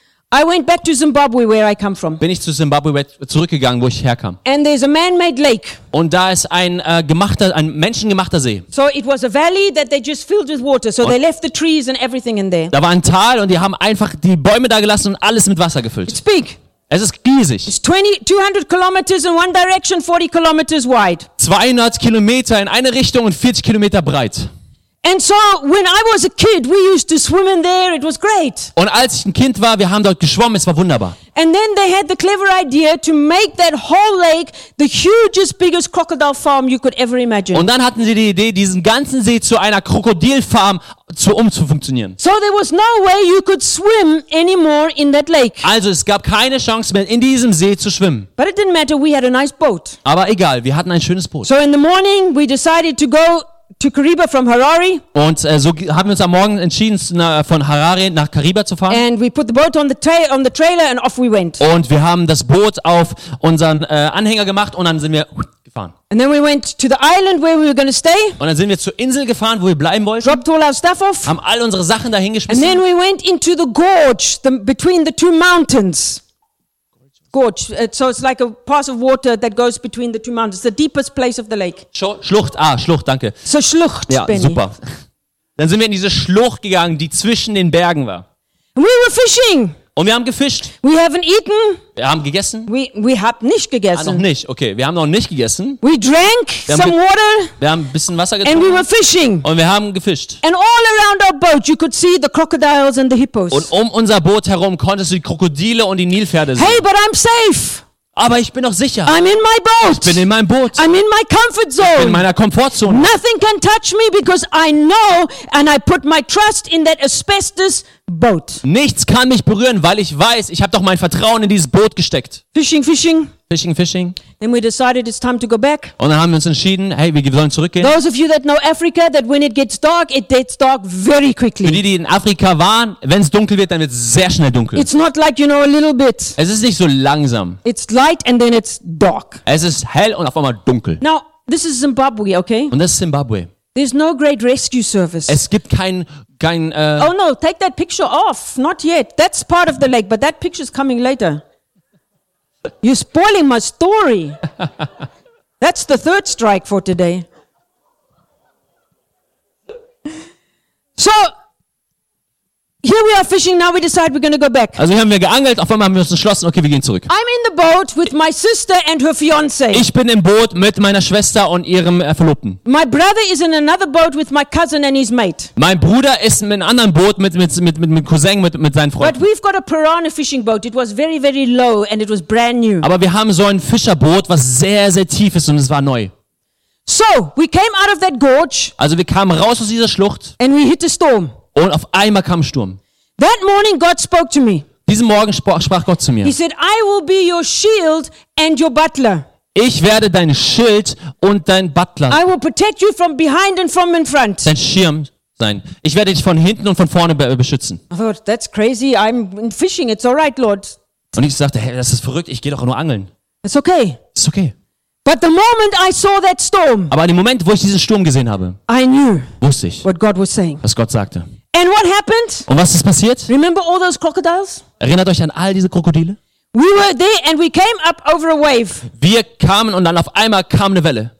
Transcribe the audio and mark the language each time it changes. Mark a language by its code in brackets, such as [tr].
[en] I went back to Zimbabwe, where I come from. [de] Bin ich zu Zimbabwe zurückgegangen, wo ich herkam. [en] And there's a man-made lake. [de] Und da ist ein menschengemachter See. [en] So it was a valley that they just filled with water. So they left the trees and everything in there. [de] Da war ein Tal und die haben einfach die Bäume da gelassen und alles mit Wasser gefüllt. [en] It's big. [de] Es ist riesig. [en] It's 200 kilometers in one direction, 40 kilometers wide. [de] 200 Kilometer in eine Richtung und 40 Kilometer breit. [en] And so when I was a kid we used to swim in there, it was great. [de] Und als ich ein Kind war, wir haben dort geschwommen, es war wunderbar. [en] And then they had the clever idea to make that whole lake the hugest, biggest crocodile farm you could ever imagine. [de] Und dann hatten sie die Idee, diesen ganzen See zu einer Krokodilfarm umzufunktionieren. [en] So there was no way you could swim anymore in that lake. [de] Also es gab keine Chance mehr, in diesem See zu schwimmen. [en] But it didn't matter, we had a nice boat. [de] Aber egal, wir hatten ein schönes Boot. [en] So in the morning we decided to go to Kariba from Harare. [de] Und so haben wir uns am Morgen entschieden, von Harare nach Kariba zu fahren. [en] And we put the boat on the trailer and off we went. [de] Und wir haben das Boot auf unseren Anhänger gemacht und dann sind wir gefahren. [en] And then we went to the island where we were going to stay. [de] Und dann sind wir zur Insel gefahren, wo wir bleiben wollten. [en] Dropped all our stuff off. [de] Haben all unsere Sachen dahin geschmissen. [en] And then we went into the gorge, between the two mountains. Gorge, so it's like a pass of water that goes between the two mountains, the deepest place of the lake. [de] Schlucht, danke. So Schlucht, ja, Benny. Super. Dann sind wir in diese Schlucht gegangen, die zwischen den Bergen war. [en] We were fishing. [de] Und wir haben gefischt. [en] We haven't eaten. [de] Wir haben gegessen. [en] We have [de] nicht gegessen. Ah, noch nicht, okay. Wir haben noch nicht gegessen. [en] We drank some water. [de] Wir haben ein bisschen Wasser getrunken. [en] And we were fishing. [de] Und wir haben gefischt. [en] And all around our boat you could see the crocodiles and the hippos. [de] Und um unser Boot herum konntest du die Krokodile und die Nilpferde sehen. [en] Hey, but I'm safe. [de] Aber ich bin noch sicher. [en] I'm in my boat. [de] Ich bin in meinem Boot. [en] I'm in my comfort zone. [de] Ich bin in meiner Komfortzone. [en] Nothing can touch me because I know and I put my trust in that asbestos boat. [de] Nichts kann mich berühren, weil ich weiß, ich habe doch mein Vertrauen in dieses Boot gesteckt. [en] Fishing. Then we decided it's time to go back. [de] Und dann haben wir uns entschieden, hey, wir sollen zurückgehen. [en] Those of you that know Africa, that when it gets dark very quickly. [de] Für die, die in Afrika waren, wenn es dunkel wird, dann wird es sehr schnell dunkel. [en] It's not like, you know, a little bit. [de] Es ist nicht so langsam. [en] It's light and then it's dark. [de] Es ist hell und auf einmal dunkel. [en] Now, this is Zimbabwe, okay? [de] Und das ist Zimbabwe. [en] There's no great rescue service. [de] Es gibt kein [en] Oh no, take that picture off. Not yet. That's part of the lake, but that picture's coming later. You're spoiling my story. That's the third strike for today. So, here we are fishing, now we decide we're going to go back. [de] Also hier haben wir geangelt, auf einmal haben wir uns entschlossen, okay, wir gehen zurück. [en] I'm in the boat with my sister and her fiance. [de] Ich bin im Boot mit meiner Schwester und ihrem Verlobten. [en] My brother is in another boat with my cousin and his mate. [de] Mein Bruder ist in einem anderen Boot mit Cousin, mit seinen Freunden. [en] But we've got a piranha fishing boat. It was very, very low and it was brand new. [de] Aber wir haben so ein Fischerboot, was sehr, sehr tief ist und es war neu. [en] So, we came out of that gorge. [de] Also wir kamen raus aus dieser Schlucht. [en] And we hit a storm. [de] Und auf einmal kam Sturm. [en] That morning God spoke to me. [de] Diesen Morgen sprach Gott zu mir. [en] He said, I will be your shield and your butler. [de] Ich werde dein Schild und dein Butler. [en] I will protect you from behind and from in front. [de] Dein Schirm sein. Ich werde dich von hinten und von vorne beschützen. [en] I thought, that's crazy. I'm fishing. It's all right, Lord. [de] Und ich sagte, hey, das ist verrückt. Ich gehe doch nur angeln. [en] It's okay. It's okay. But the moment I saw that storm, [de] aber in dem Moment, wo ich diesen Sturm gesehen habe, [en] I knew, [de] wusste ich, [en] what God was saying. [de] Was Gott sagte. [en] And what happened? [de] Und was ist passiert? [en] Remember all those crocodiles? [de] Erinnert euch an all diese Krokodile? [en] We were there and we came up over a wave. [de] Wir kamen und dann auf einmal kam eine Welle.